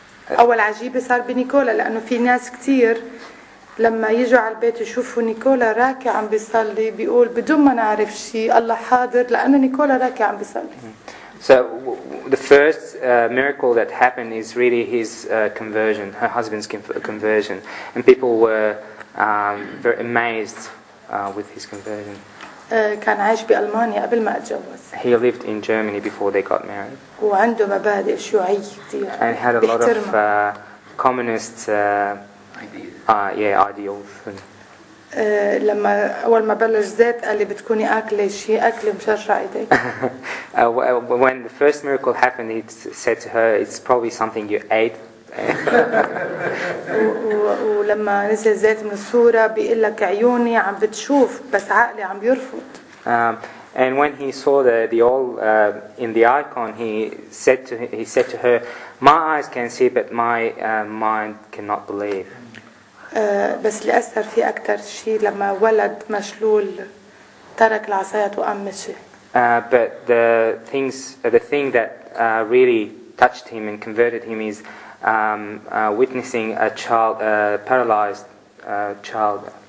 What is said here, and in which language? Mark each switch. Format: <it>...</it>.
<ar>أول عجيبة صار بنيكولا لأنه في ناس كتير لما يجوا على البيت يشوفوا نيكولا راكع عم بيصلي بيقول بدون ما نعرف شيء الله حاضر لأنه نيكولا راكع عم بيصلي.</ar> <en>So the first miracle that happened is really his conversion, her husband's conversion, and people were very amazed with his conversion.</en> <ar>كان عايش بألمانيا قبل ما اتجوز.</ar> <en>He lived in Germany before they got married.</en> <ar>وعنده مبادئ شيوعية كتير.</ar> <en>And had a lot of communist ideals.</en> <ar>لما أول ما بلش زيت قال لي بتكوني أكلة شيء أكلة مشرشة إيديك.</ar> <en>When the first miracle happened, it said to her, "It's probably something you ate."</en> <ar>ولما نزل زيت من الصورة بيقول لك عيوني عم بتشوف بس عقلي عم يرفض.</ar> <en>And when he saw the oil in the icon, he said to her, "My eyes can see, but my mind cannot believe."</en> <ar>بس اللي أثر فيه أكتر شيء لما ولد مشلول ترك العصاية وقام مشي.</ar> <en>But the thing that really touched him and converted him is witnessing a child, a paralyzed child.</en>